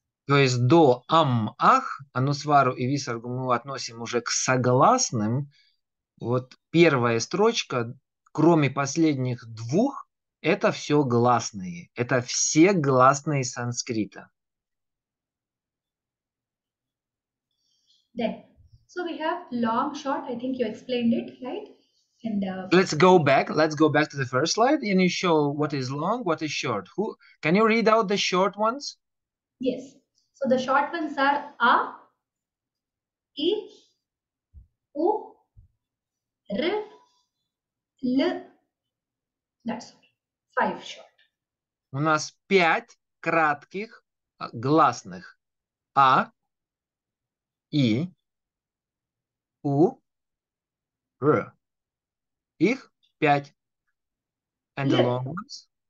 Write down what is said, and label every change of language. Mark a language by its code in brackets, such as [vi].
[ru] То есть до ам, ах, анусвару и висаргу мы относим уже к согласным. Вот первая строчка, кроме последних двух, это все гласные. Это все гласные санскрита. [en] Then, so we have long, short, I think you explained it, right? And Let's go back to the first slide and you show what is long, what is short. Who, can you read out the short ones? Yes. So the short ones are A, I, U, R, L. That's okay. Five short. [ru] У нас пять кратких гласных. А, И, У, Р. Их пять. [en] And the long ones?